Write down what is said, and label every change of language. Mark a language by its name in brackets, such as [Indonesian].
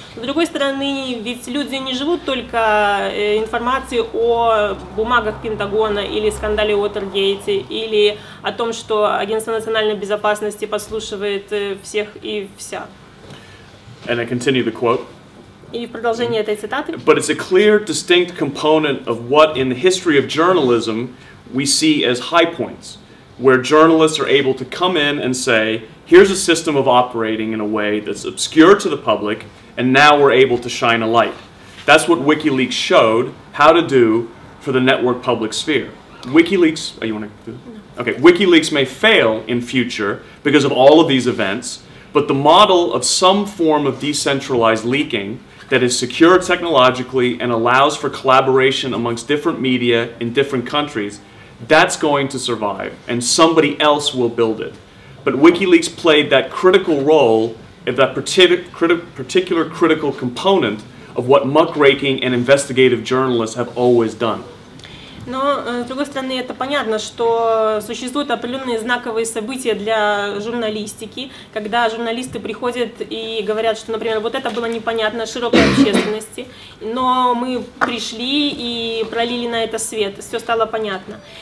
[Russian] С другой стороны, ведь люди не живут только информацией о бумагах Пентагона или скандале Уотергейте, или о том, что Агентство национальной безопасности подслушивает всех и вся. [English] And I continue the quote. [Russian] И в продолжение этой цитаты. [English] But it's a clear, distinct component of what in the history of journalism we see as high points, where journalists are able to come in and say, here's a system of operating in a way that's obscure to the public, and now we're able to shine a light. That's what WikiLeaks showed how to do for the network public sphere. WikiLeaks may fail in future because of all of these events, but the model of some form of decentralized leaking that is secure technologically and allows for collaboration amongst different media in different countries, that's going to survive, and somebody else will build it. But WikiLeaks played that critical role, that particular critical component of what muckraking and investigative journalists have always done. [Russian] Но, с другой стороны, это понятно, что существуют определенные знаковые события для журналистики, когда журналисты приходят и говорят, что, например, вот это было непонятно широкой общественности, но мы пришли и пролили на это свет, все стало понятно.